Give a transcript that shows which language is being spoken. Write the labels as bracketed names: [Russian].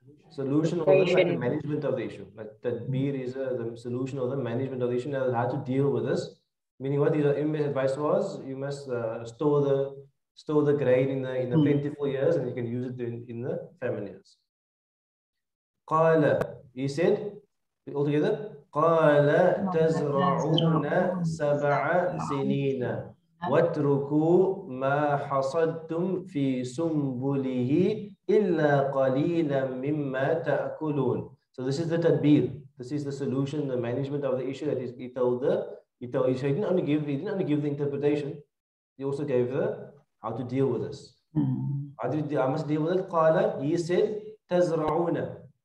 [English] Solution or the management of the issue. Like tadbir is the solution or the management of the issue. Now, how to deal with this? Meaning, what his advice was, you must store the grain in the plentiful years, and you can use it in the famine years. Qala, he said. Altogether, [Arabic] قَالَ تَزْرَعُونَ سَبَعَ سِنِينَ وَاتْرُكُوا مَا حَصَدْتُمْ فِي سُنْبُلِهِ إِلَّا قَلِيلًا مِمَّا تَأْكُلُونَ [English] So this is the tadbir. This is the solution, the management of the issue that he told the... He didn't only give the interpretation. He also gave the how to deal with this. I must deal with it. [Arabic] قَالَ [English] He said, [Arabic] تَزْرَعُونَ